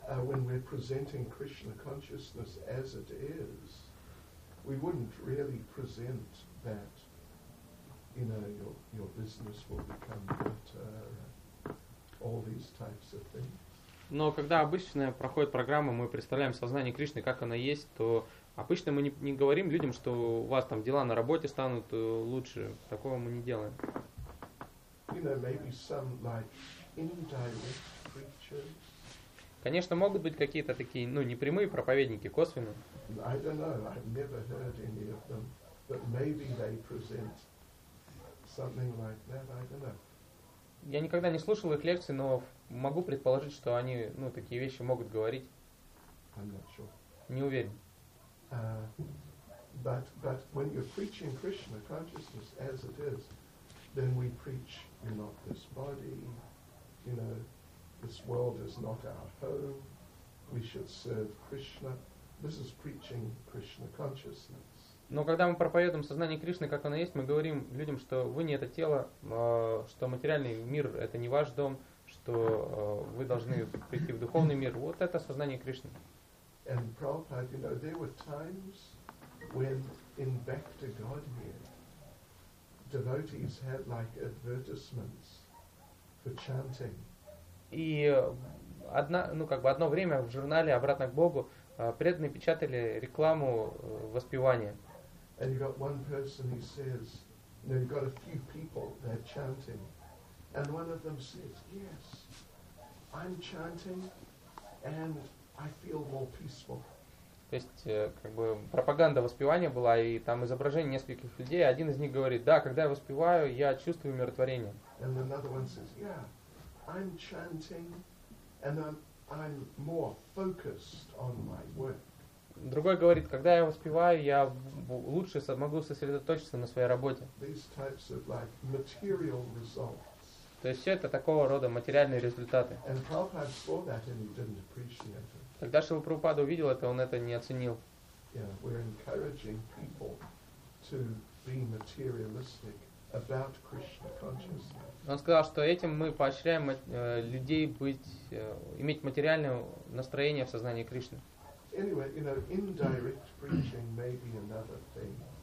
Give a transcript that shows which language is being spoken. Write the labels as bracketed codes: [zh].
[en] When we're presenting Krishna consciousness as it is, we wouldn't really present that, you know, your business will become better, all these types of things. [ru] Но когда обычно проходит программа, мы представляем сознание Кришны, как оно есть, то обычно мы не говорим людям, что у вас там дела на работе станут лучше. Такого мы не делаем. [en] You know, maybe some like indirect preachers. [ru] Конечно, могут быть какие-то такие, ну, не прямые проповедники, косвенные. [en] I don't know, I've never heard any of them, but maybe they present something like that, I don't know. [ru] Я никогда не слушал их лекции, но могу предположить, что они, ну, такие вещи могут говорить. [en] I'm not sure. [ru] Не уверен. [en] But when you're preaching Krishna consciousness as it is, then we preach, you're not this body, you know. This world is not our home. We should serve Krishna. This is preaching Krishna consciousness. [ru] Но когда мы проповедуем сознание Кришны, как оно есть, мы говорим людям, что вы не это тело, что материальный мир – это не ваш дом, что вы должны прийти в духовный мир. Вот это сознание Кришны. [en] And Prabhupada, you know, there were times when in Bhakti Godhead, devotees had like advertisements for chanting. [ru] И одна, ну как бы одно время в журнале «Обратно к Богу» преданные печатали рекламу воспевания. [en] And you got one person who says, you know, you got a few people that are chanting, and one of them says, yes, I'm chanting, and I feel more peaceful. [ru] То есть как бы пропаганда воспевания была, и там изображение нескольких людей. Один из них говорит, да, когда я воспеваю, я чувствую умиротворение. [en] And another one says, yeah. I'm chanting, and I'm more focused on my work. [ru] Другой говорит, когда я воспеваю, я лучше могу сосредоточиться на своей работе. [en] These types of like material results. [ru] То есть все это такого рода материальные результаты. [en] And Prabhupada saw that and he didn't appreciate it. [ru] Тогда Шрила Прабхупада увидел это, он это не оценил. [en] Yeah, we're encouraging people to be materialistic. About Krishna consciousness. [ru] Он сказал, что этим мы поощряем людей быть, иметь материальное настроение в сознании Кришны. [en] Anyway, you know, indirect preaching may be another thing.